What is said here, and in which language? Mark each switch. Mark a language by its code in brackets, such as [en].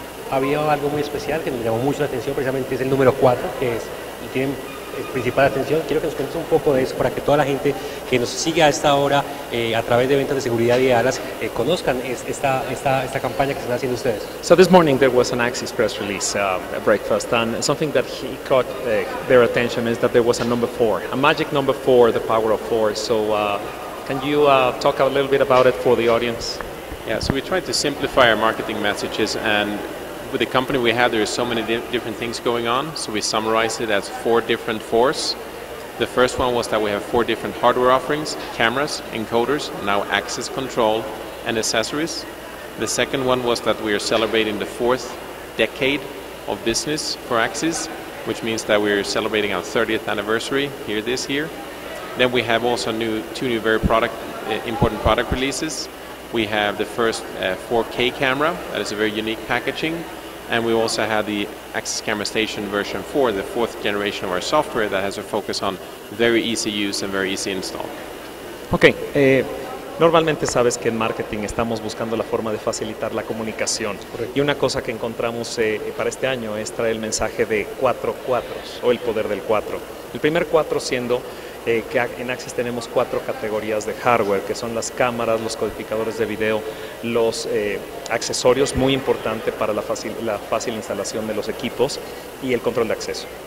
[es] Había algo muy especial que me llamó mucho la atención, precisamente es el número 4, que es el tiempo. Principal atención, quiero que nos cuentes un poco de eso para que toda la gente que nos sigue a esta hora a través de ventas de seguridad y alas conozcan esta campaña que están haciendo ustedes. [en] So this morning there was an Axis press release at breakfast, and something that he caught their attention is that there was a number 4, a magic number 4, the power of 4. So can you talk a little bit about it for the audience? Yeah, so we tried to simplify our marketing messages, and with the company we have, there are so many different things going on, so we summarize it as 4 different 4s. The first one was that we have 4 different hardware offerings, cameras, encoders, now access control, and accessories. The second one was that we are celebrating the 4th decade of business for Axis, which means that we're celebrating our 30th anniversary here this year. Then we have also two new very important product releases. We have the first 4K camera, that is a very unique packaging. And we also have the Axis Camera Station version 4, the 4th generation of our software that has a focus on very easy use and very easy install. Okay. [es] Normalmente sabes que en marketing estamos buscando la forma de facilitar la comunicación. Correct. Y una cosa que encontramos para este año es traer el mensaje de 4 cuatros o el poder del 4. El primer 4 siendo que en Axis tenemos 4 categorías de hardware, que son las cámaras, los codificadores de video, los accesorios, muy importante para la fácil instalación de los equipos, y el control de acceso.